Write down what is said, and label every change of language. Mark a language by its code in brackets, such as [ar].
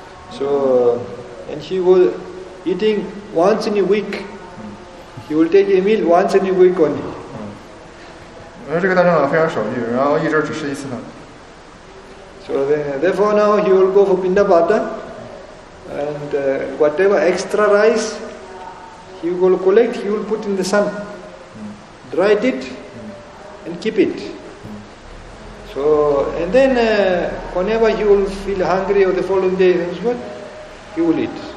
[en] So and he was eating once in a week. He would take a meal once in a week only. [zh] 这个大长老非常守律，然后一周只吃一次饭。 [en] So then, therefore now he will go for Pindapata and whatever extra rice he will collect, he will put in the sun, dry it and keep it. So, and then whenever he will feel hungry or the following day, he will eat.